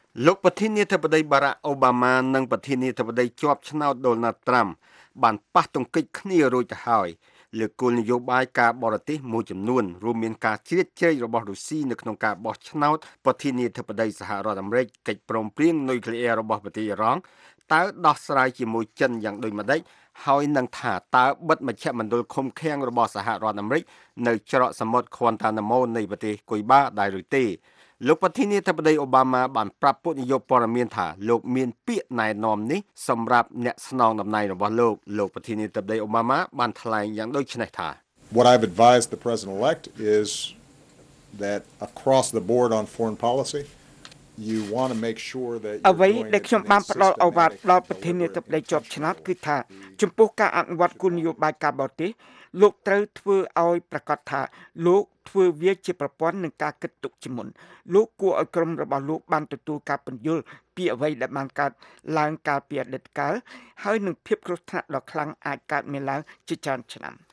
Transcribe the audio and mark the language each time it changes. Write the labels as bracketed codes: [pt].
[km] លោកប្រធានាធិបតីបារ៉ាក់អូបាម៉ានិងប្រធានាធិបតីជាប់ឆ្នោតដូណាល់ត្រាំបានប៉ះទង្គិចគ្នារួចទៅហើយលើគោលនយោបាយការបរទេសមួយចំនួនរួមមានការជ្រៀតជ្រែករបស់រុស្ស៊ីនៅក្នុងការបោះឆ្នោតប្រធានាធិបតីសហរដ្ឋអាមេរិកកិច្ចព្រមព្រៀងនុយក្លេអ៊ែររបស់ប្រទេសអ៊ីរ៉ង់តើដោះស្រាយជាមួយចិនយ៉ាងដូចម្តេចហើយនឹងថាតើបិទមជ្ឈមណ្ឌលឃុំឃាំងរបស់សហរដ្ឋអាមេរិកនៅច្រកសមុទ្រខ្វាន់តាណាមូនៃប្រទេសគុយបាដែរឬទេ លោកប្រធានាធិបតីអូបាម៉ាបានប្រាប់ពួកនយោបាយព័ត៌មានថាលោកមានពាក្យណែនាំនេះសម្រាប់អ្នកស្នងតំណែងរបស់លោកលោកប្រធានាធិបតីអូបាម៉ាបានថ្លែងយ៉ាងដូចនេះថា [en] What I've advised the president elect is that across the board on foreign policy you want to make sure that [km] អ្វីដែលខ្ញុំបានផ្ដល់អូវាទដល់ប្រធានាធិបតីជាប់ឆ្នោតគឺថាចំពោះការអនុវត្តគោលនយោបាយការបរទេសលោកត្រូវធ្វើឲ្យប្រកាសថាលោកធ្វើវាជាប្រព័ន្ធនឹងការគិតទុកជាមុនលោកគួរឲ្យក្រុមរបស់លោកបានទទួលការពន្យល់ពីអ្វីដែលបានកើតឡើងកាលពីអតីតកាលហើយនឹងភាពគ្រោះថ្នាក់ដ៏ខ្លាំងអាចកើតមានឡើងជាច្រើនឆ្នាំ